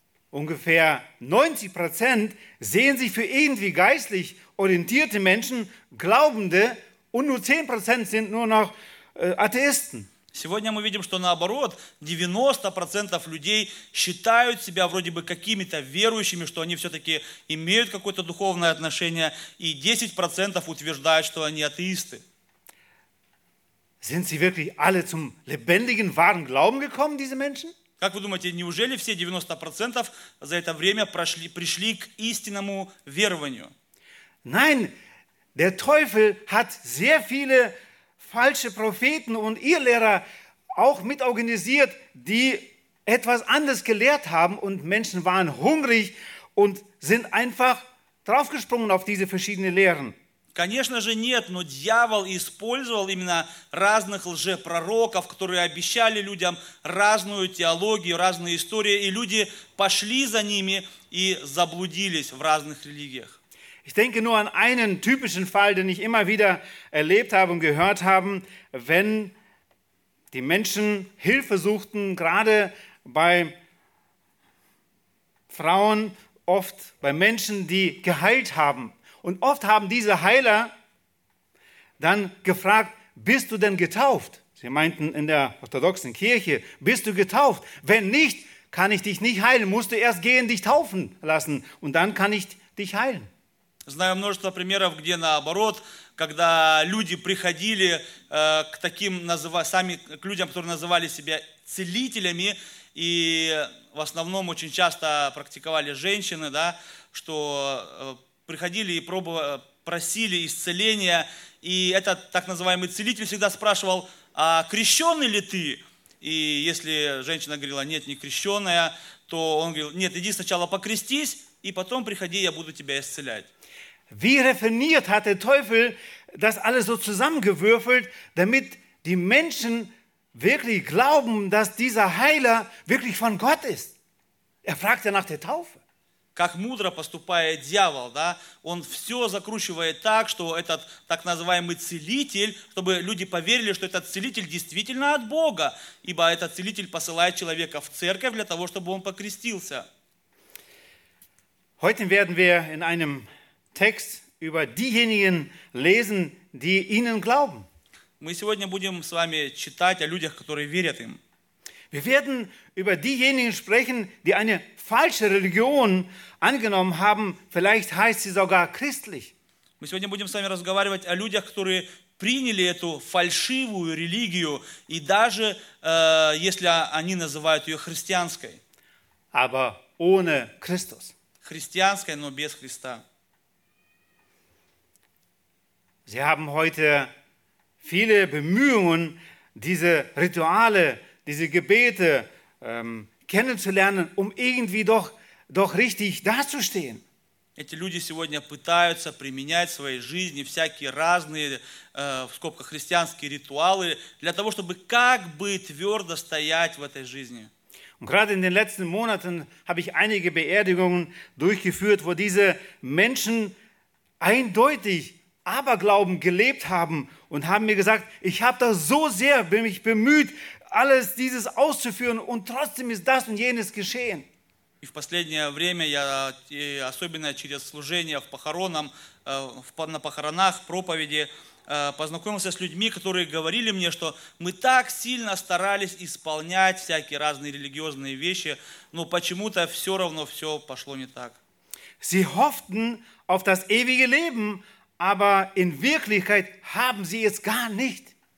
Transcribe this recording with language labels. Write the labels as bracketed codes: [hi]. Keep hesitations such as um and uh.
[de] Ungefähr 90% sehen sich für irgendwie geistlich orientierte Menschen, Glaubende, und nur 10% sind nur noch äh, Atheisten. [ru] Сегодня мы видим, что наоборот, 90% людей считают себя вроде бы какими-то верующими, что они все-таки имеют какое-то духовное отношение, и 10% утверждают, что они атеисты. [de] Sind sie wirklich alle zum lebendigen, wahren Glauben gekommen, diese Menschen? [ru] Как вы думаете, неужели все 90% за это время прошли, пришли к истинному верованию? [de] Nein, der Teufel hat sehr viele falsche Propheten und ihr Lehrer auch mit organisiert, die etwas anderes gelehrt haben und Menschen waren hungrig und sind einfach draufgesprungen auf diese verschiedenen Lehren. [ru] Конечно же нет, но дьявол использовал именно разных лжепророков, которые обещали людям разную теологию, разные истории, и люди пошли за ними и заблудились в разных религиях. [de] Ich denke nur an einen typischen Fall, den ich immer wieder erlebt habe und gehört habe, wenn die Menschen Hilfe suchten, gerade bei Frauen, oft bei Menschen, die geheilt haben. Und oft haben diese Heiler dann gefragt, bist du denn getauft? Sie meinten in der orthodoxen Kirche, bist du getauft? Wenn nicht, kann ich dich nicht heilen, musst du erst gehen, dich taufen lassen und dann kann ich dich heilen. [ru] Знаю множество примеров, где наоборот, когда люди приходили к таким, сами к людям, которые называли себя целителями, и в основном очень часто практиковали женщины, да, что приходили и пробовали, просили исцеления, и этот так называемый целитель всегда спрашивал, а крещенный ли ты? И если женщина говорила, нет, не крещенная, то он говорил, нет, иди сначала покрестись, и потом приходи, я буду тебя исцелять. [de] Wie refiniert hat der Teufel das alles so zusammengewürfelt, damit die Menschen wirklich glauben, dass dieser Heiler wirklich von Gott ist? Er fragt ja nach der Taufe. [ru] Как мудро поступает дьявол, да? Он все закручивает так, что этот так называемый целитель, чтобы люди поверили, что этот целитель действительно от Бога, ибо этот целитель посылает человека в церковь для того, чтобы он покрестился. [de] Heute werden wir in einem Text über diejenigen lesen, die ihnen glauben. [ru] Мы сегодня будем с вами читать о людях, которые верят им. [de] Wir werden über diejenigen sprechen, die eine falsche Religion angenommen haben, vielleicht heißt sie sogar christlich. [ru] Мы сегодня будем с вами разговаривать о людях, которые приняли эту фальшивую религию и даже äh, если они называют ее христианской. [de] Aber ohne Christus. [ru] Христианской, но без Христа. [de] Sie haben heute viele Bemühungen, diese Rituale, diese Gebete ähm, kennenzulernen, um irgendwie doch, doch richtig dazustehen. [ru] Эти люди сегодня пытаются применять своей жизни всякие разные, в скобках, христианские ритуалы для того, чтобы как бы твердо стоять в этой жизни. [de] Gerade in den letzten Monaten habe ich einige Beerdigungen durchgeführt, wo diese Menschen eindeutig Aberglauben gelebt haben und haben mir gesagt, ich habe das so sehr bin mich bemüht, alles dieses auszuführen und trotzdem ist das und jenes geschehen. [ru] И в последнее время я, особенно через служение в похоронах, на похоронах, проповеди, познакомился с людьми, которые говорили мне, что мы так сильно старались исполнять всякие разные религиозные вещи, но почему-то все равно все пошло не так. [de] Sie hofften auf das ewige Leben, Aber in Wirklichkeit haben sie es gar nicht.